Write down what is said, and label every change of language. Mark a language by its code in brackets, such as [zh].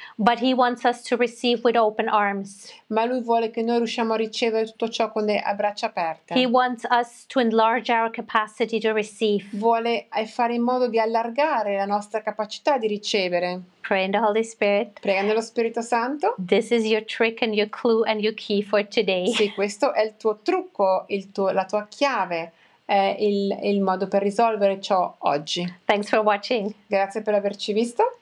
[en] But He wants us to receive with open arms. [it] Ma Lui vuole che noi riusciamo a ricevere tutto ciò con le braccia aperte. [en] He wants us to enlarge our capacity to receive. [it] Vuole fare in modo di allargare la nostra capacità di ricevere. [en] Pray in the Holy Spirit. [it] Prega nello Spirito Santo. [en] This is your trick and your clue and your key for today. [it] Sì, questo è il tuo trucco, la tua chiave, il modo per risolvere ciò oggi. [en] Thanks for watching. [it] Grazie per averci visto.